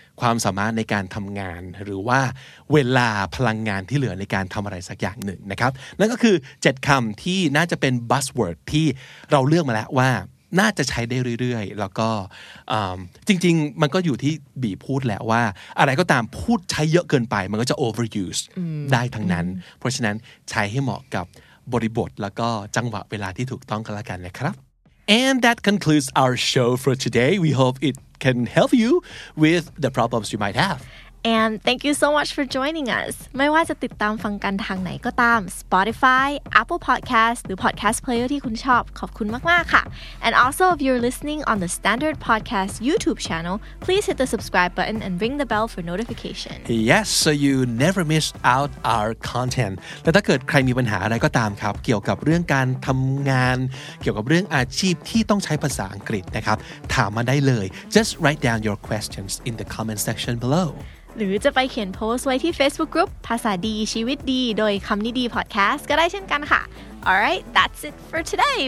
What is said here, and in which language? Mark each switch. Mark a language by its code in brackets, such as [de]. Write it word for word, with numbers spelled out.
[th] ความสามารถในการทำงานหรือว่าเวลาพลังงานที่เหลือในการทำอะไรสักอย่างหนึ่งนะครับนั่นก็คือเจ็ดคำที่น่าจะเป็น buzzword ที่เราเลือกมาแล้วว่าน่าจะใช้ได้เรื่อยๆแล้วก็จริงๆมันก็อยู่ที่บีพูดแหละว่าอะไรก็ตามพูดใช้เยอะเกินไปมันก็จะ overuse ได้ทั้งนั้นเพราะฉะนั้นใช้ให้เหมาะกับบริบทแล้วก็จังหวะเวลาที่ถูกต้องกันละกันนะครับ [en] And that concludes our show for today. We hope it can help you with the problems you might have. And thank you so much for joining us. [th] ไม่ว่าจะติดตามฟังกันทางไหนก็ตาม [en] Spotify, Apple Podcasts หรือ Podcast Player [th] ที่คุณชอบขอบคุณมากๆค่ะ [en] And also if you're listening on the Standard Podcast YouTube channel, please hit the subscribe button and ring the bell for notification. Yes, so you never miss out our content. [th] และถ้าเกิดใครมีปัญหาอะไรก็ตามครับเกี่ยวกับเรื่องการทำงานเกี่ยวกับเรื่องอาชีพที่ต้องใช้ภาษาอังกฤษนะครับถามมาได้เลย [en] Just write down your questions in the comment section below. [th] หรือจะไปเขียนโพสต์ไว้ที่ Facebook Group ภาษาดีชีวิตดีโดยคำนี้ดี Podcast ก็ได้เช่นกันค่ะ [en] Alright, that's it for today.